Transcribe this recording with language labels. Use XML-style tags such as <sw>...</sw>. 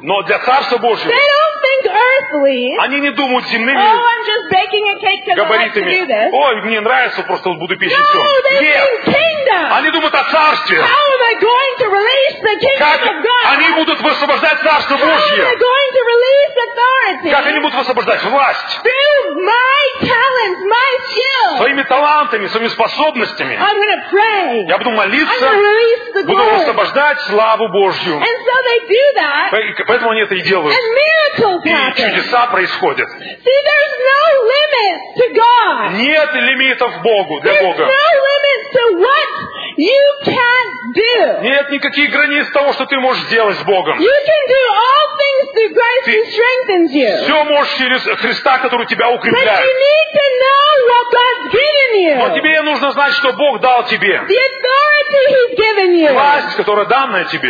<ru>Но для Царства Божьего.</ru> <en>They don't think earthly.</en> <ru>Они не думают земными.</ru> <en>Oh, I'm just baking a cake because</en> <ru>габаритами.</ru> <en>I like to do this.</en> <ru>Ой, мне нравится, просто буду печь.</ru> <en>No, they think kingdom.</en> <ru>Они думают о Царстве.</ru> <en>How are they going to release the kingdom</en> <ru>как</ru> <en>of God?</en> <ru>Они будут высвобождать Царство Божье?</ru> <en>How are they going to release authority?</en> <ru>Как они будут высвобождать власть?</ru> <en>Through my talents, my skills.</en> <ru>Своими талантами, своими способностями.</ru> <en>I'm gonna pray.</en> <ru>Я буду молиться,</ru> <en>I'm gonna release the</en> <ru>буду высвобождать славу Божью.</ru> <en>And so they do that.</en> <ru>Поэтому они это и делают.</ru> <en>And miracles happen.</en> <ru>И чудеса происходят.</ru> <en>See, there's no limit to God.</en> <ru>Нет лимитов Богу, для</ru> <en>there's</en> <ru>Бога.</ru> <en>No limit to what you can do.</en> <ru>Нет никаких границ того, что ты можешь делать с Богом.</ru> <en>You can do all things through Christ who strengthens you.</en> <ru>Все можешь через Христа, который тебя укрепляет.</ru> <en>But you need to know what God's given you.</en> <ru>Но тебе нужно знать, что Бог дал тебе.</ru> <en>The authority He's given you.</en> <ru>Власть, которая данная тебе.</ru>